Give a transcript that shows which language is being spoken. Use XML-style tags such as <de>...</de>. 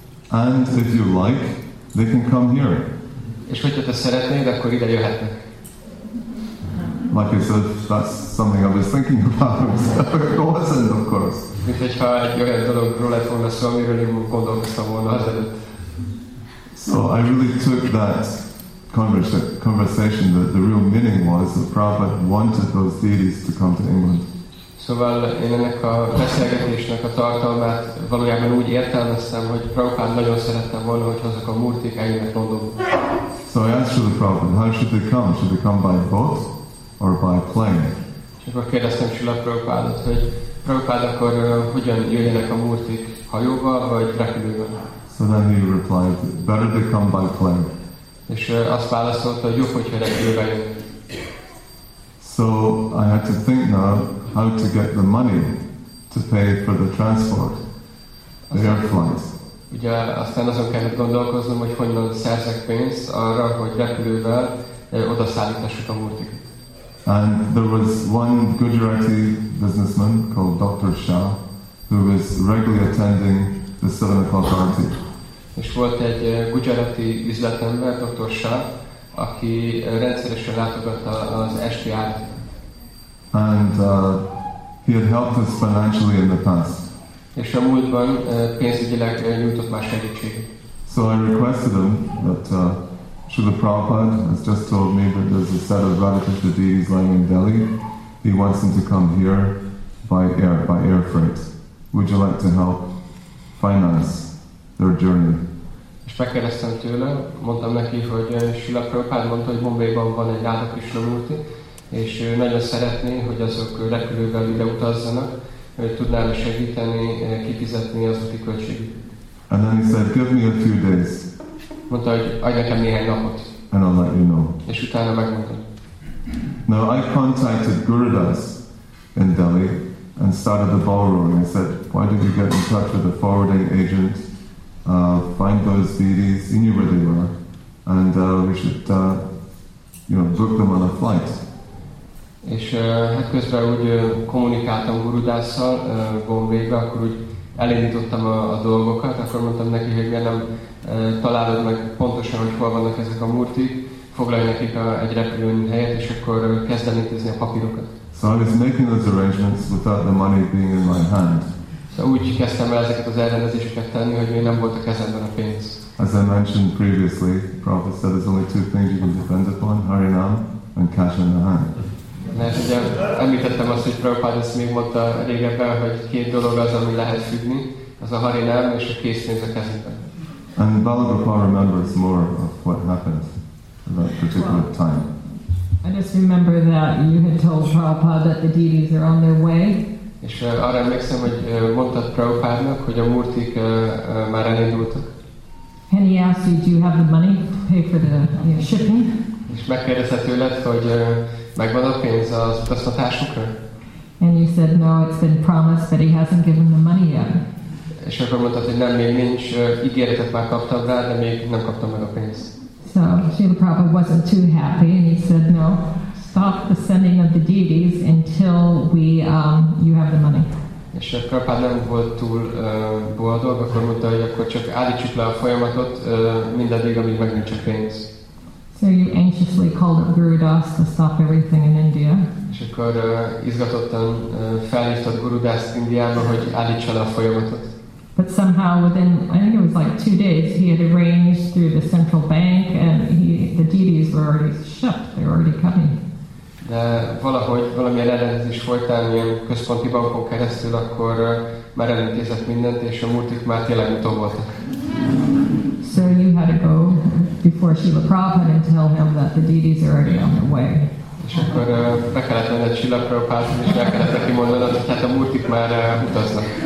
<en>And if you like, they can come here.</en> <hu>És hogyha te szeretnéd, akkor ide jöhetnek.</hu> <en>Like I said, that's something I was thinking about. It wasn't, of course.</en> <hu>Mint hogyha egy olyan dologról lett volna szó, amiről én gondolkoztam volna azelőtt.</hu> <en>So I really took that conversation, the real meaning was that Prabhupada wanted those deities to come to England.</en> <hu>Szóval én ennek a beszélgetésnek a tartalmát valójában úgy értelmeztem, hogy Prabhupada nagyon szerette volna, hogy azok a murtik eljönnek Londonba.</hu> <en>So I asked the Prabhupada, how should they come? Should they come by boat or by plane?</en> <hu>És akkor kérdeztem Srila Prabhupádot, hogy Prabhupád akkor hogyan jöjjenek a murtik, hajóval vagy repülővel?</hu> <en>So then he replied, better they come by plane.</en> <hu>És azt válaszolta, hogy jobb, hogyha repülővel jön.</hu> <en>So I had to think now how to get the money to pay for the transport, the air flights.</en> <hu>Ugye aztán azon kellett gondolkoznom, hogy honnan szerzek pénzt arra, hogy repülővel odaszállítassuk a murtikat.</hu> <en>And there was one Gujarati businessman called Dr. Shah who was regularly attending the 7 o'clock arati.</en> <hu>És volt egy Gujarati üzletember, Dr. Shah, aki rendszeresen látogatta az esti árat.</hu> <en>And he had helped us financially in the past.</en> <hu>És a múltban pénzügyileg nyújtott már segítséget.</hu> <en>So I requested him that Srila Prabhupada has just told me that there's a set of Radha Krishna deities lying in Delhi. He wants them to come here by air freight. Would you like to help finance their journey?</en> <hu>És megkérdeztem tőle, mondtam neki, hogy Srila Prabhupada mondta, hogy Bombayban van egy Radha Krishna murti, és nagyon szeretné, hogy azok repülővel ide utazzanak, hogy tudnál segíteni, kifizetni az úti költségüket.</hu> <en>And then he said, give me a few days.</en> <hu>Mondta, hogy adj nekem néhány napot.</hu> <en>And I'll let you know.</en> <hu>És utána megmondtam.</hu> <en>Now I contacted Gurudas in Delhi and started the ball rolling. I said, why did you get in touch with the forwarding agent? Find those deities, you knew where they were, and we should, book them on a flight.</en> <hu>És hát közben úgy kommunikáltam Gurudasszal Bombaybe, akkor úgy elindítottam a dolgokat, akkor mondtam neki, hogy miért nem találod meg pontosan, hogy hol vannak ezek a murtik, foglalj nekik egy repülőn helyet, és akkor kezd el intézni a papírokat.</hu> <en>So I was making those arrangements without the money being in my hand.</en> <hu>De úgy kezdtem el ezeket az elrendezéseket tenni, hogy még nem volt a kezemben a pénz.</hu> <en>As I mentioned previously, Prabhupada said there's only two things you can depend upon, Harinam and cash in the hand.</en> <hu>Mert ugye említettem azt, hogy Prabhupada ezt még mondta régebben, hogy két dolog az, ami lehet függni, az a Harinam és a készpénz a kezemben.</hu> <en>And Balagopal remembers more of what happened at that particular time. I just remember that you had told Prabhupada that the deities are on their way.</en> <hu>És arra emlékszem, hogy mondtad Prabhupádnak, hogy a murtik már elindultak.</hu> <en>And he asked you, do you have the money to pay for the shipping?</en> <hu>És megkérdezett tőled, hogy megvan a pénz az utaztatásukra?</hu> <en>And you said, no, it's been promised, but he hasn't given the money yet.</en> <hu>És akkor mondtad, hogy nem, még nincs, ígéretet már kaptam rá, de még nem kaptam meg a pénzt.</hu> <en>So Srila Prabhupada wasn't too happy, and he said, no. Stop the sending of the deities until we you have the money.</en> <hu>És a Prabhupada nem volt túl boldog, akkor mondta, hogy akkor csak állítsuk le a folyamatot mindaddig, amíg meg nincs a pénz.</hu> <en>So you anxiously called up Gurudas to stop everything in India.</en> <hu>És akkor izgatottan felhívtad Gurudas Indiába, hogy állítsa le a folyamatot.</hu> <en>But somehow within, I think it was like 2 days, he had arranged through the central bank and the deities were already shipped, they were already coming.</en> <hu>De valahogy, valamilyen ellenzés folytán, ilyen központi bankon keresztül, akkor már elintézett mindent, és a murtik már tényleg utó voltak.</hu> <en>So you had to go before Srila Prabhupada and tell him that the deities are already on their way.</en> <hu>És akkor be kellett menned Srila Prabhupada, és el kellett neki mondanod, hogy hát a murtik már utaznak.</hu>